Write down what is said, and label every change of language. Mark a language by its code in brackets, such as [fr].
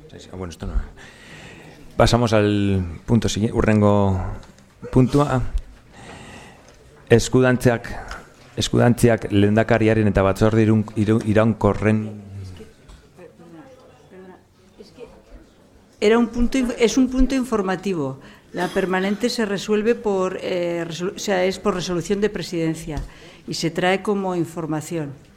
[es] Bueno, esto no. Pasamos al punto siguiente, [eu] urrengo puntua. Eskudantziak lehendakariaren eta batzorde iraunkorren. [es] Es un punto informativo. La permanente se resuelve por es por resolución de presidencia y se trae como información.